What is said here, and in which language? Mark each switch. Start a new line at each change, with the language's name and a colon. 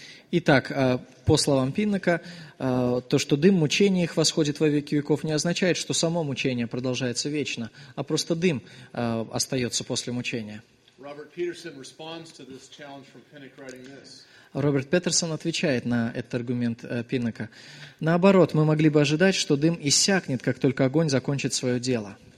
Russian: Итак, по словам Пиннека, то, что дым мучений их восходит во веки веков, не означает, что само мучение продолжается вечно, а просто дым остается после мучения.
English: Robert Peterson responds to this challenge from Pinnock writing this.
Russian: Роберт Петерсон отвечает на этот аргумент Пиннека. Наоборот, мы могли бы ожидать, что дым иссякнет, как только огонь закончит свое дело.